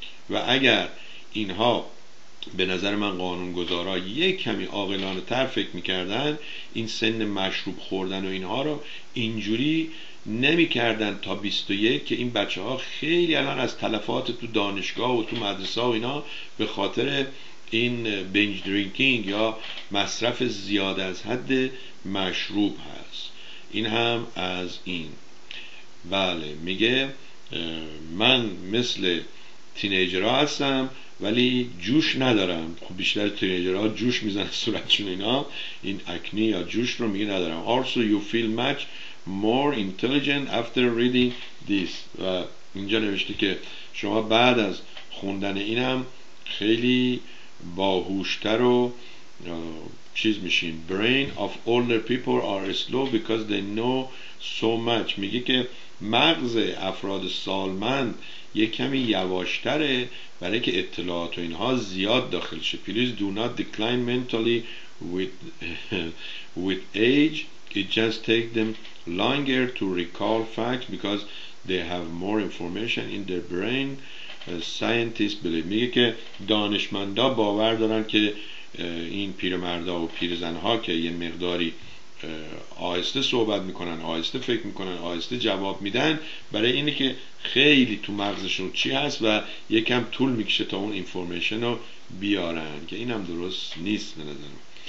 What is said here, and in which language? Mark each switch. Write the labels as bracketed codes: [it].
[fa] و اگر اینها به نظر من قانونگذارا یک کمی عاقلانه تر فکر میکردن، این سن مشروب خوردن و اینها رو اینجوری نمیکردن تا 21، که این بچه ها خیلی الان از تلفات تو دانشگاه و تو مدرسه و اینا به خاطر این بینج درینکینگ یا مصرف زیاد از حد مشروب هست. این هم از این. بله میگه من مثل تینیجرها هستم ولی جوش ندارم. خب بیشتر تینیجرها جوش میزنن صورتشون اینا، این اکنی یا جوش رو میگه ندارم. [en] Also you feel much more intelligent after reading this. [fa] و اینجا نوشته که شما بعد از خوندن اینم خیلی باهوشتر و چیز میشین. [en] Brain of older people are slow because they know so much. [fa] میگه که مغز افراد سالمند یک کمی یواشتره برای که اطلاعات و اینها زیاد داخل شه. [en] Please do not decline mentally with age. It just takes them longer to recall facts because they have more information in their brain. Scientists believe. [fa] میگه که دانشمندا باور دارن که این پیرمردا و پیرزنها که یه مقداری آهسته صحبت میکنن، آهسته فکر میکنن، آهسته جواب میدن، برای اینه که خیلی تو مغزشون چی هست و یکم طول میکشه تا اون اینفورمیشن رو بیارن، که اینم درست نیست به نظرم.